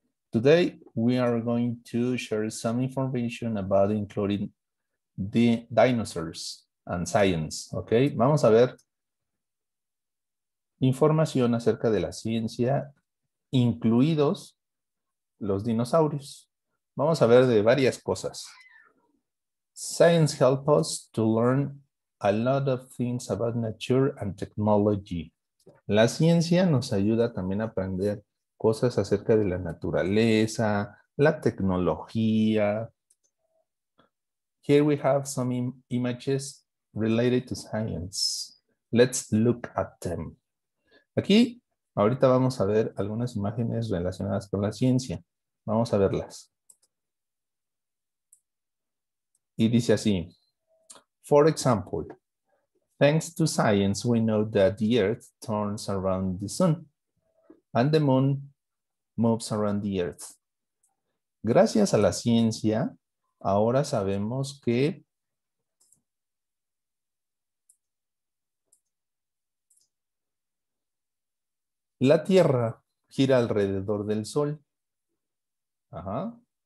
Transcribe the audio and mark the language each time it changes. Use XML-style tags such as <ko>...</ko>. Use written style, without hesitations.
<en>Today we are going to share some information about including the dinosaurs and science.</en> <es>Okay, vamos a ver información acerca de la ciencia, incluidos los dinosaurios. Vamos a ver de varias cosas.</es> <en>Science helps us to learn a lot of things about nature and technology.</en> <es>La ciencia nos ayuda también a aprender cosas acerca de la naturaleza, la tecnología.</es> <en>Here we have some images related to science. Let's look at them.</en> <es>Aquí, ahorita vamos a ver algunas imágenes relacionadas con la ciencia. Vamos a verlas. Y dice así.</es> <en>For example, thanks to science, we know that the Earth turns around the sun and the moon moves around the Earth.</en> <es>Gracias a la ciencia, ahora sabemos que la Tierra gira alrededor del Sol. Ajá.</es>